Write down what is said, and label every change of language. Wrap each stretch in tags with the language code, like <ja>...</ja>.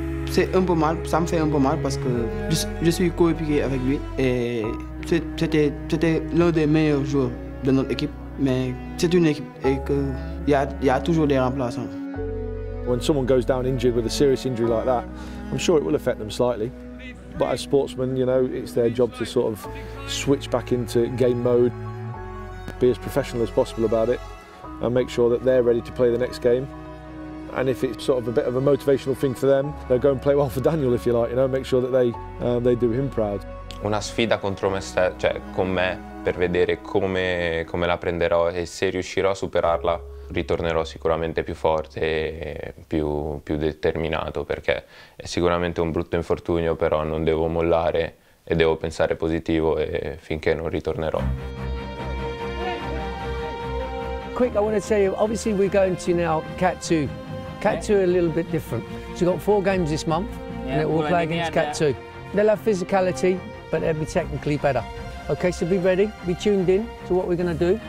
<fr>C'est un peu mal, ça me fait un peu mal parce que je suis coéquipier avec lui et c'était l'un des meilleurs joueurs de notre équipe. Mais c'est une équipe et il y a toujours des remplaçants.</fr> <en>When someone goes down injured with a serious injury like that, I'm sure it will affect them slightly. But as sportsmen, you know, it's their job to sort of switch back into game mode, be as professional as possible about it, and make sure that they're ready to play the next game. And if it's sort of a bit of a motivational thing for them, they'll go and play well for Daniel, if you like, you know, make sure that they do him proud.</en> <it>Una sfida contro me stesso, cioè con me, per vedere come la prenderò e se riuscirò a superarla, ritornerò sicuramente più forte e più determinato, perché è sicuramente un brutto infortunio, però non devo mollare e devo pensare positivo e finché non ritornerò.</it> <en>Quick, I want to tell you, obviously we're going to now Cat 2. Cat 2 are a little bit different. So you've got four games this month, yeah, and it will play against Cat 2. They'll have physicality, but they'll be technically better. Okay, so be ready, be tuned in to what we're going to do.</en>